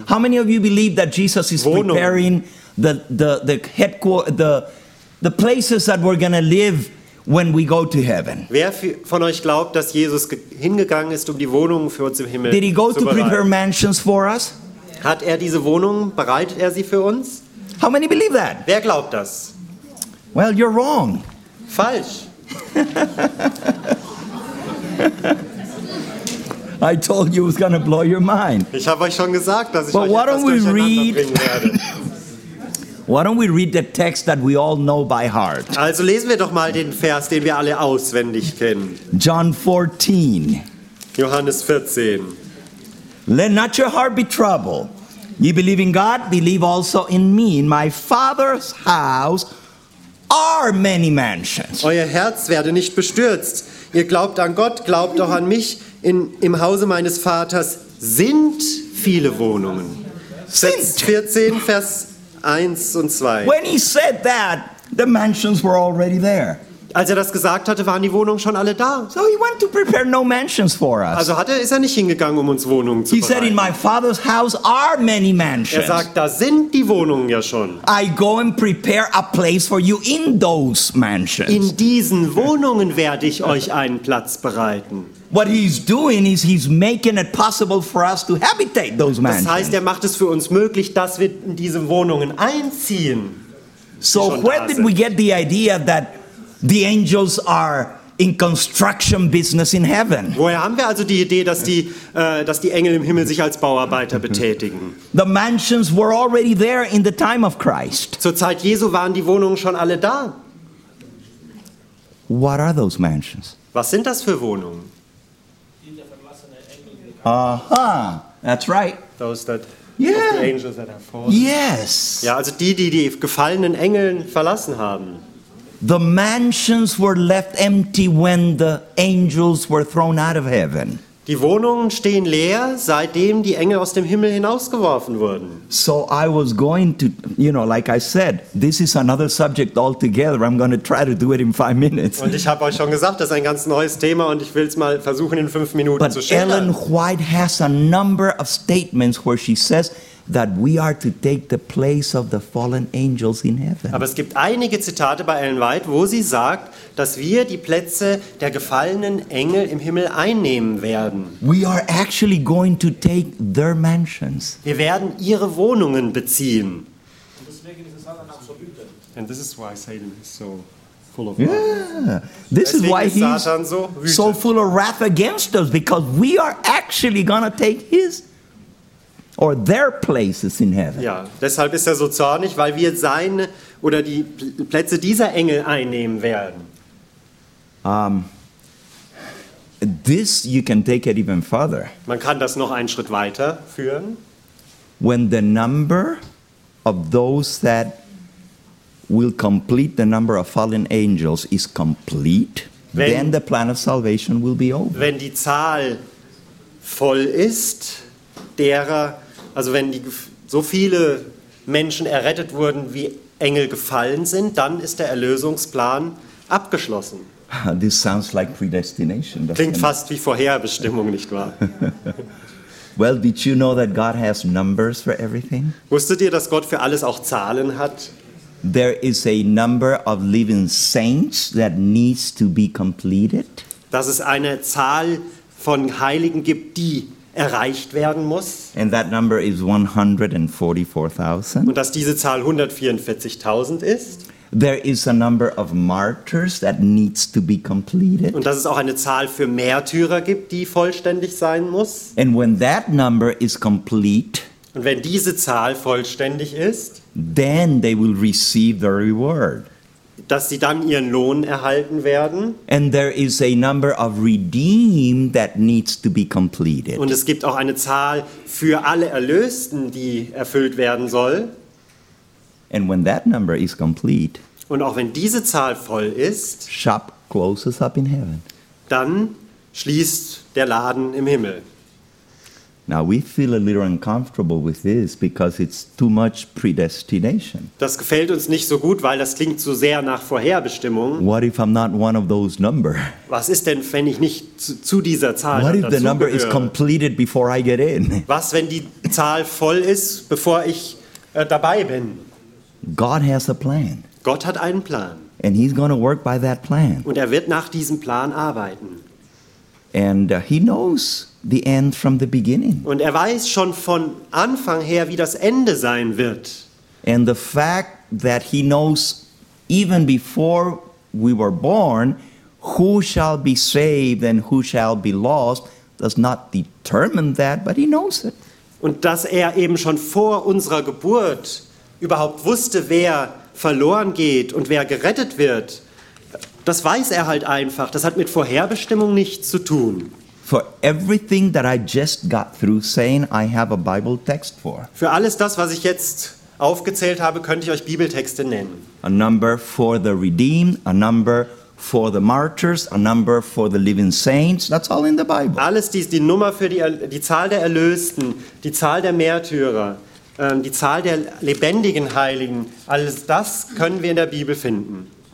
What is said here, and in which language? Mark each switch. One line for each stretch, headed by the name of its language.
English: How many of you believe that Jesus is
German: Wohnungen.
English: Preparing the headquarters, the places that we're going to live when we go to heaven?
German: Wer von euch glaubt, dass Jesus hingegangen ist, um die Wohnungen für uns im Himmel zu bereiten?
English: Did he go to prepare mansions for us?
German: Hat er diese Wohnungen, bereitet er sie für uns?
English: How many believe that?
German: Wer glaubt das?
English: Well, you're wrong.
German: Falsch.
English: I told you it was going to blow your mind.
German: Ich habe euch schon gesagt, dass ich
English: but why don't
German: etwas
English: we read?
German: Werde.
English: Why don't we read the text that we all know by heart?
German: Also lesen wir doch mal den Vers, den wir alle auswendig kennen.
English: John 14.
German: Johannes 14.
English: Let not your heart be troubled. Ye believe in God, believe also in me. In my Father's house are many mansions.
German: Euer Herz werde nicht bestürzt. Ihr glaubt an Gott, glaubt auch an mich. Im Hause meines Vaters sind viele Wohnungen. Sind. 14, Vers 1 und 2.
English: When he said that, the mansions were already there.
German: Als er das gesagt hatte, waren die Wohnungen schon alle da.
English: So he went to prepare no mansions for us.
German: Also ist er nicht hingegangen, um uns Wohnungen zu
English: he
German: bereiten.
English: Said, in my father's house are many mansions.
German: Er sagt, da sind die Wohnungen ja schon.
English: I go and prepare a place for you in those mansions.
German: In diesen Wohnungen werde ich euch einen Platz bereiten.
English: What he's doing is he's making it possible for us to habitate those mansions.
German: Das heißt, er macht es für uns möglich, dass wir in diese Wohnungen einziehen.
English: So where did we get the idea that the angels are in construction business in heaven.
German: Woher haben wir also die Idee, dass die Engel im Himmel sich als Bauarbeiter betätigen?
English: The mansions were already there in the time of Christ.
German: Zur Zeit Jesu waren die Wohnungen schon alle da.
English: What are those mansions?
German: Was sind das für Wohnungen?
English: Aha, that's right. Those that yeah. The angels that have fallen. Yes.
German: Ja, also die gefallenen Engeln verlassen haben.
English: The mansions were left empty when the angels were thrown out of heaven.
German: Die Wohnungen stehen leer, seitdem die Engel aus dem Himmel hinausgeworfen wurden.
English: So I was going to, you know, like I said, this is another subject altogether. I'm going to try to do it in 5 minutes.
German: Und ich habe euch schon gesagt, das ist ein ganz neues Thema und ich will es mal versuchen in 5 Minuten
English: but
German: zu schildern.
English: Ellen White has a number of statements where she says that we are to take the place of the fallen angels in heaven.
German: Aber es gibt einige Zitate bei Ellen White, wo sie sagt, dass wir die Plätze der gefallenen Engel im Himmel einnehmen werden.
English: We are actually going to take their mansions.
German: Wir werden ihre Wohnungen beziehen. Und deswegen ist es halt absolut.
English: And this is why Satan is so full of wrath. Yeah. This is why he's Satan so, so full of wrath against us, because we are actually going to take his or their places in heaven.
German: Ja, deshalb ist er so zornig, weil wir seine oder die Plätze dieser Engel einnehmen werden.
English: This you can take it even further.
German: Man kann das noch einen Schritt weiter führen.
English: When the number of those that will complete the number of fallen angels is complete, then the plan of salvation will be over.
German: Wenn die Zahl voll ist, derer Also wenn die so viele Menschen errettet wurden, wie Engel gefallen sind, dann ist der Erlösungsplan abgeschlossen.
English: This sounds like predestination.
German: Klingt fast wie Vorherbestimmung, nicht wahr?
English: Well, did you know that God has numbers for everything?
German: Wusstet ihr, dass Gott für alles auch Zahlen hat?
English: There is a number of living saints that needs to be completed.
German: Dass es eine Zahl von Heiligen gibt, die erreicht werden muss.
English: And that number is 144,000.
German: Und dass diese Zahl 144,000 ist.
English: There is a number of martyrs that needs to be completed.
German: Und dass es auch eine Zahl für Märtyrer gibt, die vollständig sein muss.
English: And when that number is complete,
German: und wenn diese Zahl vollständig ist,
English: then they will receive the reward.
German: Dass sie dann ihren Lohn erhalten werden.
English: And there is a number of redeemed that needs to be completed.
German: Und es gibt auch eine Zahl für alle Erlösten, die erfüllt werden soll.
English: And when that number is complete,
German: und auch wenn diese Zahl voll ist,
English: shop closes up in heaven.
German: Dann schließt der Laden im Himmel.
English: Now we feel a little uncomfortable with this because it's too much predestination.
German: Das gefällt uns nicht so gut, weil das klingt zu sehr nach Vorherbestimmung.
English: What if I'm not one of those number?
German: Was ist denn, wenn ich nicht zu dieser Zahl dazugehöre?
English: What if the number is completed before I get in?
German: Was, wenn die Zahl voll ist, bevor ich dabei bin?
English: God has a plan.
German: Gott hat einen Plan.
English: And he's going to work by that plan.
German: Und er wird nach diesem Plan arbeiten.
English: And he knows the end from the beginning.
German: Und er weiß schon von Anfang her, wie das Ende sein wird.
English: And the fact that he knows even before we were born who shall be saved and who shall be lost does not determine that, but he knows it.
German: Und dass er eben schon vor unserer Geburt überhaupt wusste, wer verloren geht und wer gerettet wird, das weiß er halt einfach. Das hat mit Vorherbestimmung nichts zu tun.
English: For everything that I just got through saying, I have a Bible text for.
German: Für alles das, was ich jetzt aufgezählt habe, könnte ich euch Bibeltexte nennen.
English: A number for the redeemed, a number for the martyrs, a number for the living saints. That's all in the Bible.
German: Alles dies, die Nummer für die Zahl der Erlösten, die Zahl der Märtyrer, die Zahl der lebendigen Heiligen, alles das können wir in der Bibel finden.